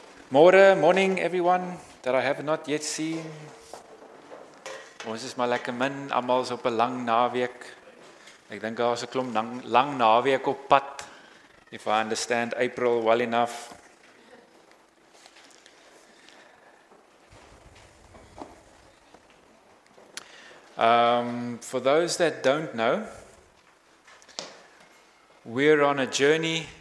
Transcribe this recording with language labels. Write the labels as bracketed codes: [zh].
[en] Morgen, morning everyone that I have not yet seen. [af] Ons is maar lekker min, almal so op 'n lang naweek. Ek dink daar is 'n klomp lang naweek op pad. [en] If I understand April well enough. For those that don't know, we're on a journey.